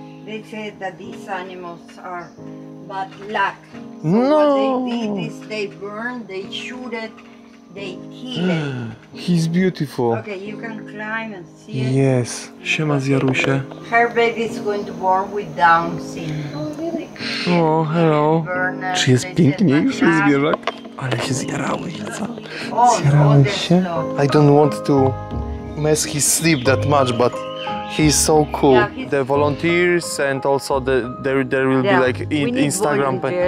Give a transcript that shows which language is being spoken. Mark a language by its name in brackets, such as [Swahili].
[English] They say that these animals are bad luck. So no. What they did is they burn, they shoot it, they kill it. He's beautiful. Okay, you can climb and see it. Yes. [Polish] Siema Zjarusie. [English] Her baby is going to born with Down syndrome. Oh, hello. [Polish] Czy jest piękniejszy zwierzak? Ale się zjarały. Zjarały się. [English] Oh, I don't want to mess his sleep that much, but he's so cool. Yeah, the volunteers and also there will be like Instagram